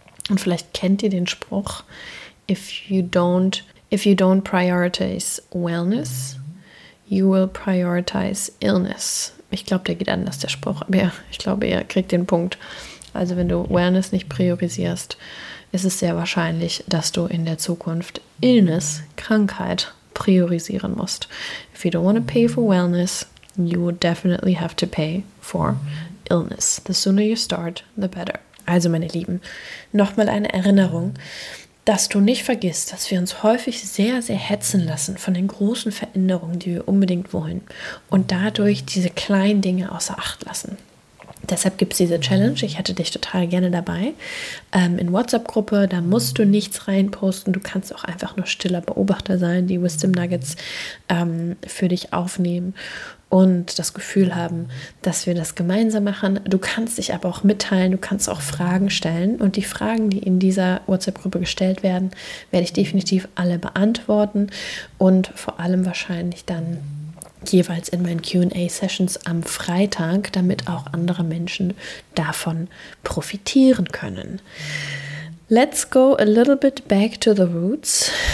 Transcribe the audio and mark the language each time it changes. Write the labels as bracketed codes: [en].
[de] Und vielleicht kennt ihr den Spruch, [en] if you don't prioritize wellness, you will prioritize illness. [de] Ich glaube, der geht anders, der Spruch. Aber ja, ich glaube, ihr kriegt den Punkt. Also wenn du Wellness nicht priorisierst, ist es sehr wahrscheinlich, dass du in der Zukunft Illness, Krankheit, priorisieren musst. [en] If you don't want to pay for wellness, you would definitely have to pay for illness. The sooner you start, the better. [de] Also meine Lieben, nochmal eine Erinnerung, dass du nicht vergisst, dass wir uns häufig sehr, sehr hetzen lassen von den großen Veränderungen, die wir unbedingt wollen und dadurch diese kleinen Dinge außer Acht lassen. Deshalb gibt es diese Challenge. Ich hätte dich total gerne dabei. In WhatsApp-Gruppe, da musst du nichts reinposten. Du kannst auch einfach nur stiller Beobachter sein, die Wisdom Nuggets für dich aufnehmen und das Gefühl haben, dass wir das gemeinsam machen. Du kannst dich aber auch mitteilen. Du kannst auch Fragen stellen. Und die Fragen, die in dieser WhatsApp-Gruppe gestellt werden, werde ich definitiv alle beantworten und vor allem wahrscheinlich dann jeweils in meinen Q&A-Sessions am Freitag, damit auch andere Menschen davon profitieren können. [en] Let's go a little bit back to the roots.